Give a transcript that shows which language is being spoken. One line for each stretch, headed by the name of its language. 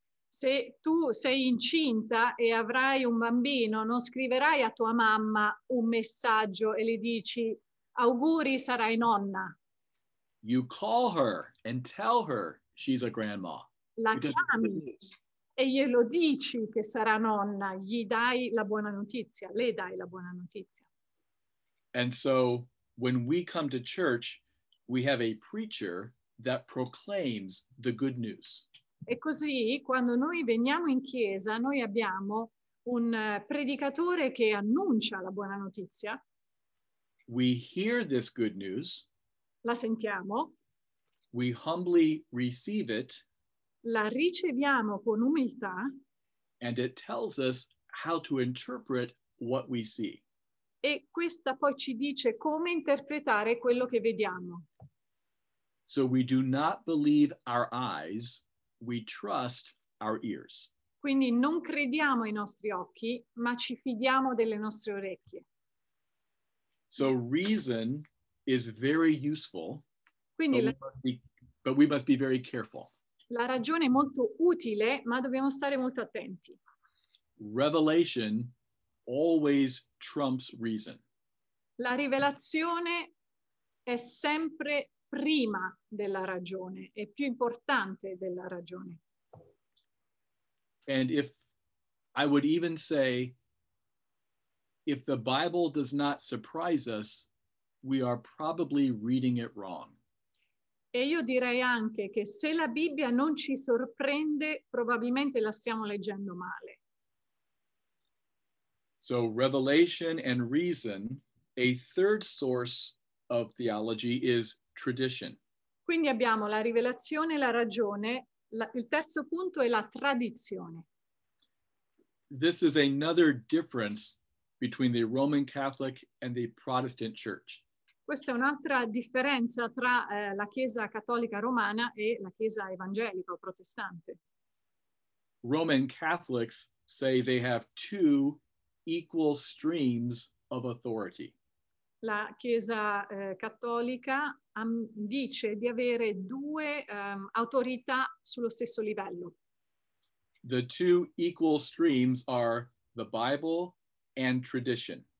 Italian: Se tu sei incinta e avrai un bambino, non scriverai a tua mamma un messaggio e le dici, auguri, sarai nonna.
English: You call her and tell her she's a grandma.
Italian: La chiami glielo dici che sarà nonna, gli dai la buona notizia, le dai la buona notizia.
English: And so when we come to church, we have a preacher that proclaims the good news.
Italian: E così quando noi veniamo in chiesa, noi abbiamo un predicatore che annuncia la buona notizia.
English: We hear this good news.
Italian: La sentiamo.
English: We humbly receive it.
Italian: La riceviamo con umiltà.
English: And it tells us how to interpret what we see.
Italian: E questa poi ci dice come interpretare quello che vediamo.
English: So we do not believe our eyes, we trust our ears.
Italian: Quindi non crediamo ai nostri occhi, ma ci fidiamo delle nostre orecchie.
English: So reason is very useful,
Italian: quindi
English: but we must be very careful.
Italian: La ragione è molto utile, ma dobbiamo stare molto attenti.
English: Revelation always trumps reason.
Italian: La rivelazione è sempre prima della ragione, è più importante della ragione.
English: And if I would even say, if the Bible does not surprise us, we are probably reading it wrong.
Italian: E io direi anche che se la Bibbia non ci sorprende, probabilmente la stiamo leggendo male.
English: So revelation and reason, a third source of theology is tradition.
Italian: Quindi abbiamo la rivelazione e la ragione, il terzo punto è la tradizione.
English: This is another difference between the Roman Catholic and the Protestant Church.
Italian: Questa è un'altra differenza tra la Chiesa Cattolica Romana e la Chiesa Evangelica o Protestante.
English: Roman Catholics say they have two equal streams of authority.
Italian: La Chiesa Cattolica dice di avere due autorità sullo stesso livello.
English: The two equal streams are the Bible and tradition.